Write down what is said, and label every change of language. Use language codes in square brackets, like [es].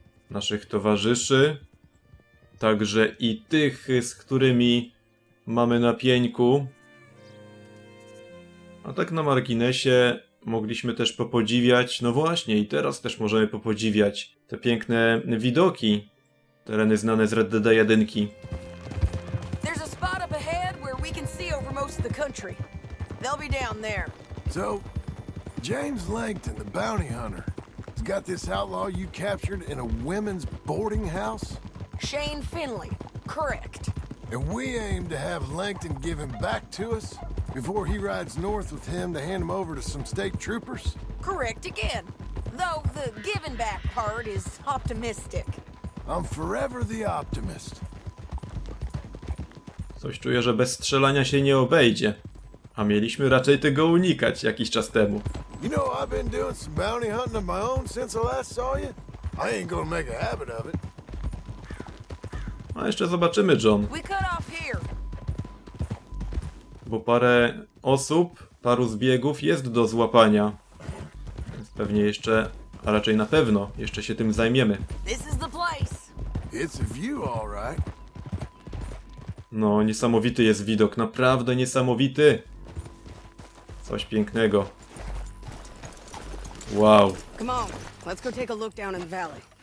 [pl] Naszych towarzyszy. Także i tych, z którymi mamy na pieńku. A tak na marginesie mogliśmy też popodziwiać. No właśnie, i teraz też możemy popodziwiać te piękne widoki. Tereny znane z Red Dead 1. [en] There's a spot up ahead where we can see over most of the country. They'll be down there. So, James Langton, the bounty hunter, has got this outlaw you captured in a women's boarding house? Shane Finley, correct. And we aim to have Langton give him back to us before he rides north with him to hand him over to some state troopers? Correct again. Though the giving back part is optimistic. I'm forever the optimist. [pl] Coś czuję, że bez strzelania się nie obejdzie. A mieliśmy raczej tego unikać jakiś czas temu. [en] You know, I've been doing some bounty hunting of my own since I last saw you. I ain't gonna make a habit of it. [pl] A jeszcze zobaczymy, John. [en] We cut off here. [pl] Bo parę osób, paru zbiegów jest do złapania. Więc pewnie jeszcze, a raczej na pewno, jeszcze się tym zajmiemy. [en] This is the place. It's a view, all right. [pl] No, niesamowity jest widok, naprawdę niesamowity. Coś pięknego. Wow. [en] Come on, let's go take a look down in the valley.